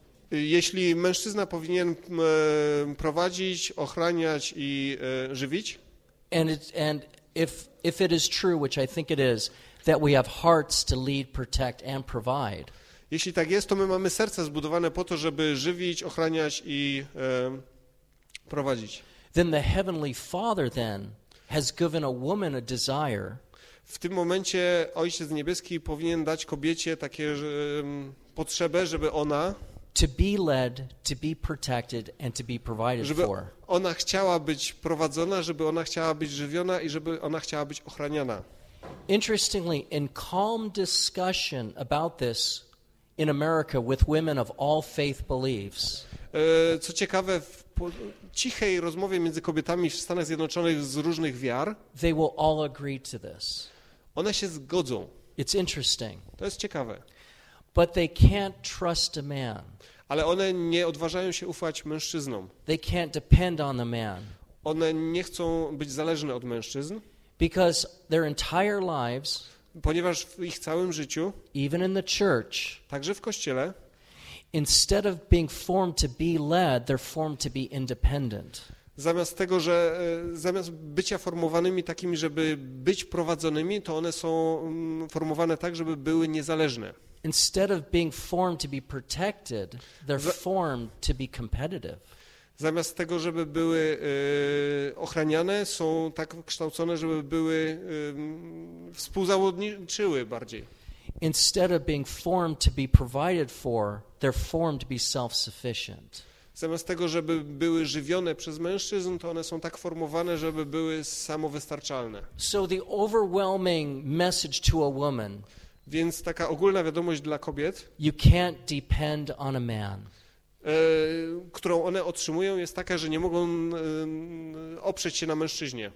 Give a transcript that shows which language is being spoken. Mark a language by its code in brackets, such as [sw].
[pl] Jeśli mężczyzna powinien prowadzić, ochraniać i żywić. [en] And if it is true, which I think it is, that we have hearts to lead, protect and provide. [pl] Jeśli tak jest, to my mamy serca zbudowane po to, żeby żywić, ochraniać i prowadzić. [en] Then the Heavenly Father then has given a woman a desire. [pl] W tym momencie Ojciec Niebieski powinien dać kobiecie takie potrzebę, żeby ona [en] to be led, to be protected and to be provided for. [pl] Ona chciała być prowadzona, żeby ona chciała być żywiona i żeby ona chciała być ochraniana. [en] Interestingly, in calm discussion about this in America with women of all faith beliefs. [pl] Co ciekawe, w cichej rozmowie między kobietami w Stanach Zjednoczonych z różnych wiar, [en] they will all agree to this. [pl] One się zgodzą. [en] It's interesting. [pl] To jest ciekawe. [en] But they can't trust a man. [pl] Ale one nie odważają się ufać mężczyznom. [en] They can't depend on the man. [pl] One nie chcą być zależne od mężczyzn. [en] Because their entire lives, [pl] ponieważ w ich całym życiu, [en] even in the church, [pl] także w kościele, [en] instead of being formed to be led, they're formed to be independent. [pl] Zamiast tego, że zamiast bycia formowanymi takimi, żeby być prowadzonymi, to one są formowane tak, żeby były niezależne. [en] Instead of being formed to be protected, they're formed to be competitive. [pl] Zamiast tego, żeby były ochraniane, są tak kształcone, żeby były współzawodniczyły bardziej. [en] Instead of being formed to be provided for, they're formed to be self-sufficient. [pl] Zamiast tego, żeby były żywione przez mężczyzn, to one są tak formowane, żeby były samowystarczalne. [en] So the overwhelming message to a woman. [pl] Więc taka ogólna wiadomość dla kobiet. [en] You can't depend on a man. [pl] Którą one otrzymują, jest taka, że nie mogą oprzeć się na mężczyźnie.